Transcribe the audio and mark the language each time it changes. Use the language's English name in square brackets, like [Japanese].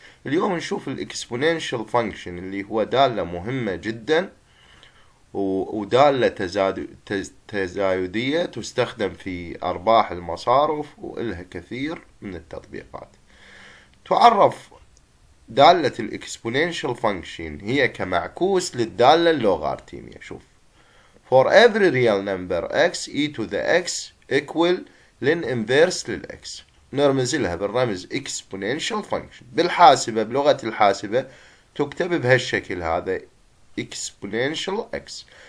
[Arabic] اليوم نشوف الـ Exponential Function اللي هو دالة مهمة جدا ودالة تزايدية تستخدم في أرباح المصارف وإلها كثير من التطبيقات. تعرف دالة الـ Exponential Function هي كمعكوس للدالة اللوغارتمية. شوف، [English] for every real number x e to the x equal [Arabic] لن [English] inverse [Arabic] لل [English] x، [Arabic] نرمز لها بالرمز [English] exponential function. [Arabic] بالحاسبة، بلغة الحاسبة تكتب بهالشكل هذا exponential x.